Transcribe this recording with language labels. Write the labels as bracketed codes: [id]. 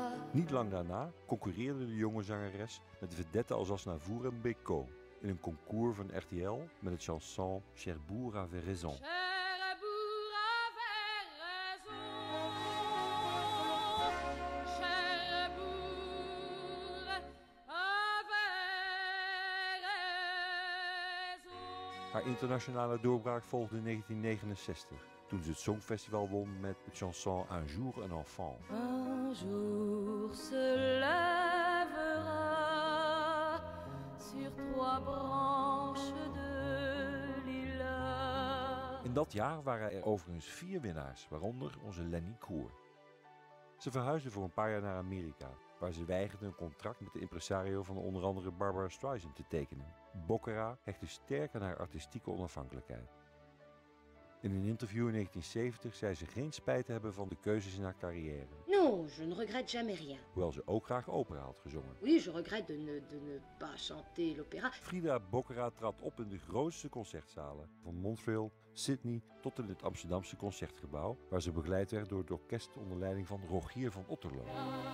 [nl] Niet lang daarna concurreerde de jonge zangeres met vedette als Aznavour en Bécaud in een concours van RTL met het chanson Cherbourg avait raison. [fr] Cherbourg avait raison. Cherbourg avait raison. [nl] Haar internationale doorbraak volgde in 1969. Toen ze het Songfestival won met het chanson Un jour un enfant. [fr] Un jour se lèvera sur trois branches de lilas. [nl] In dat jaar waren er overigens vier winnaars, waaronder onze Lenny Koer. Ze verhuisde voor een paar jaar naar Amerika, waar ze weigerde een contract met de impresario van onder andere Barbara Streisand te tekenen. Bokkera hechtte sterk aan haar artistieke onafhankelijkheid. In een interview in 1970 zei ze geen spijt te hebben van de keuzes in haar carrière. [fr] Non, je ne regrette jamais rien. [nl] Hoewel ze ook graag opera had gezongen. [fr] Oui, je regrette de ne pas chanter l'opéra. [nl] Frida Bokkera trad op in de grootste concertzalen. Van Montreal, Sydney tot in het Amsterdamse Concertgebouw. Waar ze begeleid werd door het orkest onder leiding van Rogier van Otterloo. Ja.